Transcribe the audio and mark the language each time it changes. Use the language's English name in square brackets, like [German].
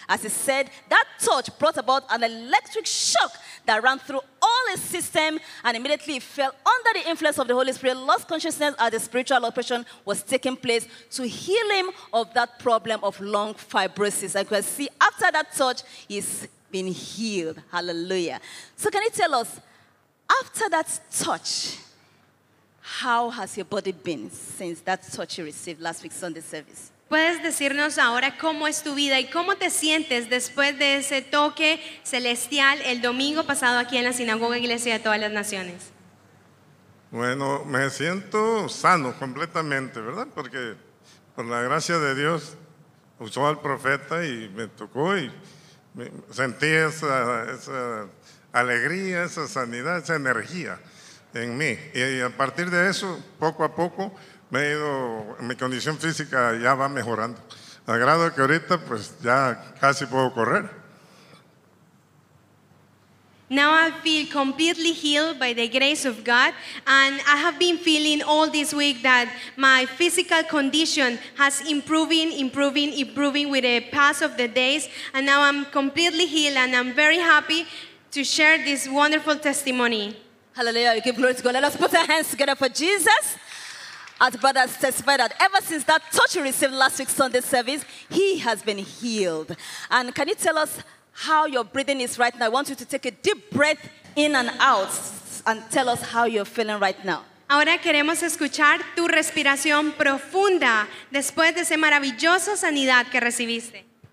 [English] As he said, that touch brought about an electric shock that ran through all his system, and immediately he fell under the influence of the Holy Spirit, lost consciousness as the spiritual operation was taking place to heal him of that problem of lung fibrosis. And you can see after that touch, he's been healed. Hallelujah. So can you tell us, after that touch, how has your body been since that touch you received last week's Sunday service? [Spanish] ¿Puedes decirnos ahora cómo es tu vida y cómo te sientes después de ese toque celestial el domingo pasado aquí en la Sinagoga Iglesia de Todas las Naciones? Bueno, me siento sano completamente, ¿verdad? Porque por la gracia de Dios usó al profeta y me tocó y sentí esa alegría, esa sanidad, esa energía en mí. Y a partir de eso, poco a poco, me he ido, mi condición física ya va mejorando. A grado que ahorita, pues, ya casi puedo correr. [English] Now I feel completely healed by the grace of God, and I have been feeling all this week that my physical condition has improving with the pass of the days, and now I'm completely healed, and I'm very happy to share this wonderful testimony. Hallelujah, give glory to God. Let us put our hands together for Jesus. As brothers testified that ever since that touch you received last week's Sunday service, he has been healed. And can you tell us how your breathing is right now? I want you to take a deep breath in and out and tell us how you're feeling right now. [Spanish] Ahora queremos escuchar tu respiración profunda después de esa maravillosa sanidad que recibiste.